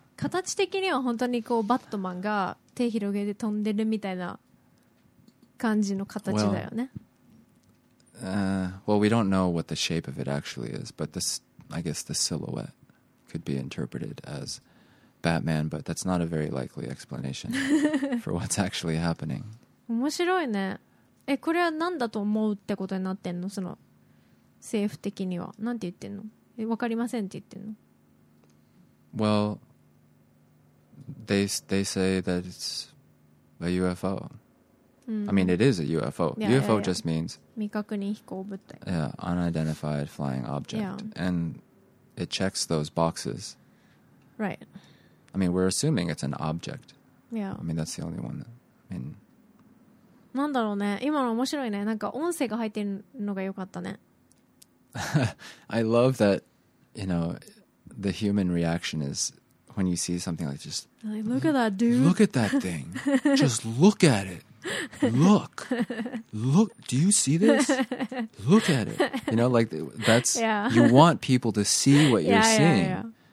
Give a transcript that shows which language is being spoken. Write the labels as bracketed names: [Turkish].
[Japanese] 形的には本当にこうバットマンが手広げて飛んでるみたいな感じの形だよね。 [English] Well, we don't know what the shape of it actually is, but this, I guess the silhouette could be interpreted as Batman, but that's not a very likely explanation for what's actually happening. [Japanese] 面白いね。え、これは何だと思うってことになってんの？その政府的には。なんて言ってんの？え、わかりませんって言ってんの？ [English] Well, they say that it's a UFO. I mean, it is a UFO. Yeah, UFO just means [Japanese] 未確認飛行物体。 [English] Yeah, unidentified flying object. Yeah. And it checks those boxes. Right. I mean, we're assuming it's an object. Yeah. I mean, that's the only one. I mean, [Japanese] なんだろうね。今の面白いね。なんか音声が入ってるのが良かったね。 [English] I love that, you know, the human reaction is when you see something like just... Like, look at that, dude. Look at that thing. Just look at it. Look, look, do you see this? Look at it. You know, like that's, you want people to see what you're seeing.